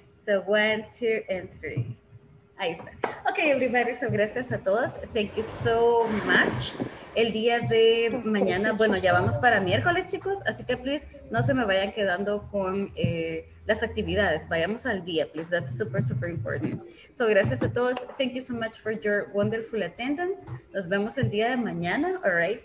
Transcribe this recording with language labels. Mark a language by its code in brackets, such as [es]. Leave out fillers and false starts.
[en] So 1, 2, and 3. [es] Ahí está. [en] Ok, everybody, so [es] gracias a todos. [en] Thank you so much. [es] El día de mañana, bueno, ya vamos para miércoles, chicos, así que please, no se me vayan quedando con las actividades. Vayamos al día, [en] please. That's super, super important. So, [es] gracias a todos. [en] Thank you so much for your wonderful attendance. [es] Nos vemos el día de mañana, [en] all right?